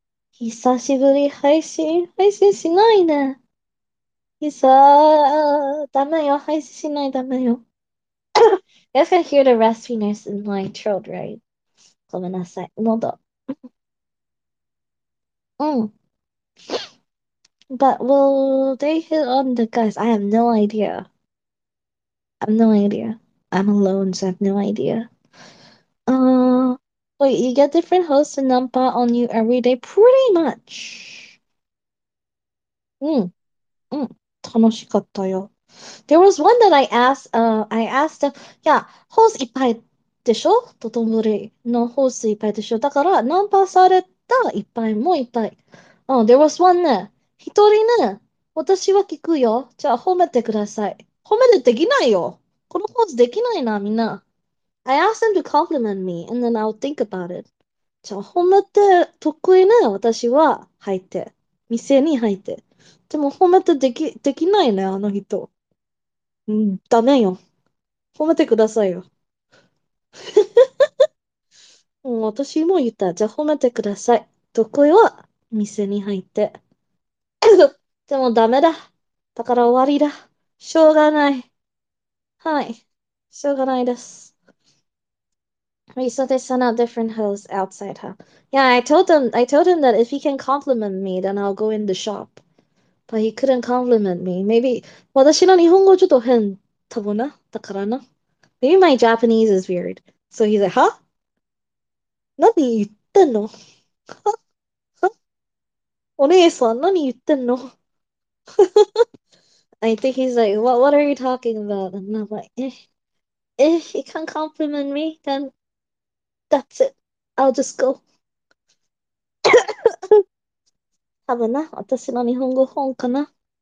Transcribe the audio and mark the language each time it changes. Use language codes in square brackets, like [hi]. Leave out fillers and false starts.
[ja] 久しぶり配信しないね。ダメよ。配信しないダメよ。 [en] You guys can hear the raspiness in my throat, right? [ja] ごめんなさい。喉。 [en] But will they hit on the guys? I have no idea. I have no idea. I'm alone, so I have no idea. Wait, you get different hosts and number on you every day, pretty much. [ja] 楽しかったよ。 [en] There was one that I asked them, yeah, hosts [ja] いっぱいでしょ？トトンボリのホースいっぱいでしょ？だから、ナンパされたいっぱいもいっぱい。 [en] There was one [ja] ね。一人ね。私は聞くよ。じゃあ、褒めてください。褒めてできないよ。このポーズできないな、みんな。 [en] I ask them to compliment me, and then I'll think about it. [ja] じゃあ、褒めて得意ね、私は。入って。店に入って。でも、褒めてできないね、あの人。ダメよ。褒めてくださいよ。私も言った。じゃあ、褒めてください。得意は、店に入って。でも、ダメだ。だから終わりだ。しょうがない。はい。しょうがないです。 [en] So they send out different hosts outside, huh? Yeah, I told him that if he can compliment me, then I'll go in the shop. But he couldn't compliment me. Maybe [ja] 私の日本語ちょっと変多分な。だからな。 [en] Maybe my Japanese is weird. So he's like, huh? [ja] 何言ってんの？お姉さん何言ってんの？ [en] I think he's like, what are you talking about? And I'm like, if you can't compliment me, then that's it. I'll just go. [ja] 多分な、私の日本語本かな。